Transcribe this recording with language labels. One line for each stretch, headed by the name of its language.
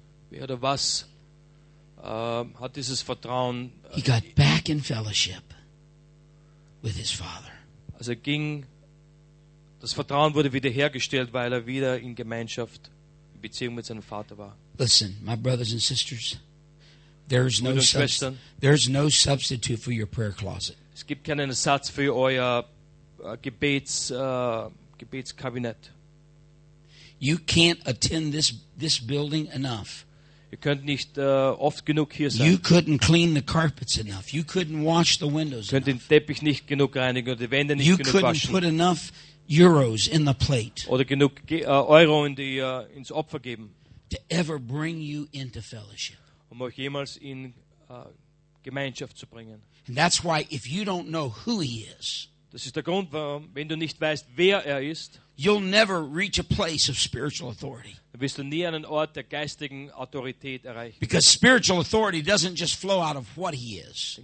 German: Wer oder was hat dieses Vertrauen?
English: He got back in fellowship with his father.
German: Also ging, das Vertrauen wurde wiederhergestellt, weil wieder in Gemeinschaft, in Beziehung mit seinem Vater war.
English: Listen, my brothers and sisters, there's no substitute for your prayer closet.
German: Es gibt keinen Ersatz für euer Gebetskabinett.
English: You can't attend this building enough.
German: Ihr könnt nicht oft genug hier sein.
English: You couldn't clean the carpets enough. You couldn't wash the windows
German: Könnt den Teppich nicht genug reinigen oder die Wände nicht
English: you
German: genug
English: couldn't
German: waschen.
English: Put enough euros in the plate.
German: Oder genug Euro in die, ins Opfer geben.
English: To ever bring you into fellowship.
German: Um euch jemals in Gemeinschaft zu bringen.
English: And that's why if you don't know who he is.
German: Das ist der Grund, warum, wenn du nicht weißt, wer ist.
English: You'll never reach a place of spiritual authority.
German: Wirst du nie einen Ort der geistigen Autorität erreichen.
English: Because spiritual authority doesn't just flow out of what he is.